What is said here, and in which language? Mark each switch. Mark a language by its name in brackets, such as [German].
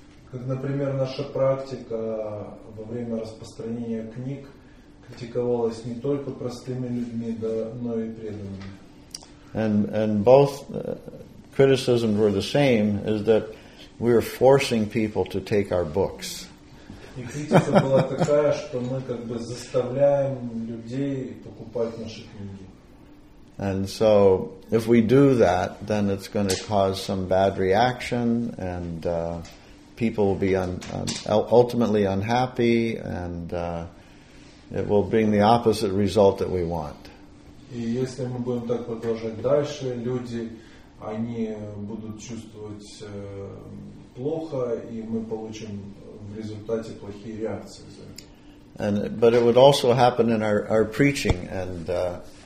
[Russian] Как, например, наша практика во время распространения книг критиковалась не только простыми людьми, но и преданными. [English] And both criticisms were the same, is that we are forcing people to take our books. [Russian] И критика была такая, что мы как бы заставляем людей покупать наши книги. [English] And so, if we do that, then it's going to cause some bad reaction, and people will be ultimately unhappy, and it will bring the opposite result that we want. [Russian] И если мы будем так продолжать дальше, люди они будут чувствовать плохо, и мы получим в результате плохие реакции. [English] And but it would also happen in our preaching and.